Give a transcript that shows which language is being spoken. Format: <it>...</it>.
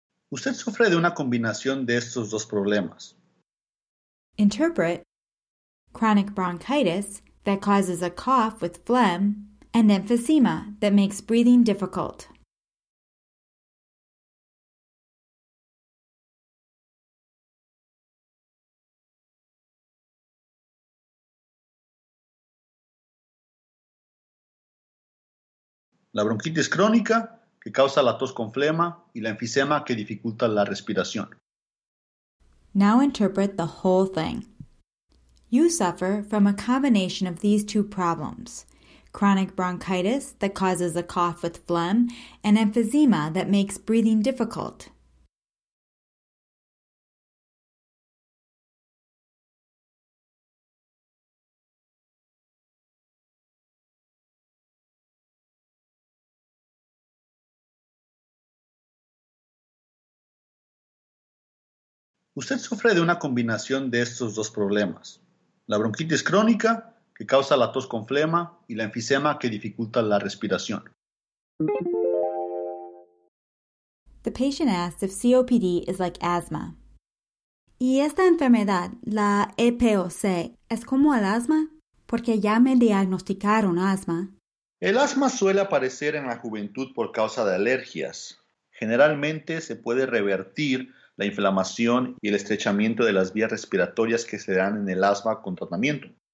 <es>Usted sufre de una combinación de estos dos problemas.</es> <en>Interpret. Chronic bronchitis that causes a cough with phlegm and emphysema that makes breathing difficult.</en> <es>la bronquitis crónica, que causa la tos con flema, y la enfisema, que dificulta la respiración.</es> <en>Now interpret the whole thing. You suffer from a combination of these two problems: chronic bronchitis that causes a cough with phlegm, and emphysema that makes breathing difficult.</en> <es>Usted sufre de una combinación de estos dos problemas: la bronquitis crónica, que causa la tos con flema, y la enfisema, que dificulta la respiración.</es> <en>The patient asks if COPD is like asthma.</en> <es>¿Y esta enfermedad, la EPOC, es como el asma? Porque ya me diagnosticaron asma. El asma suele aparecer en la juventud por causa de alergias. Generalmente se puede revertir la inflamación y el estrechamiento de las vías respiratorias que se dan en el asma con tratamiento.</es>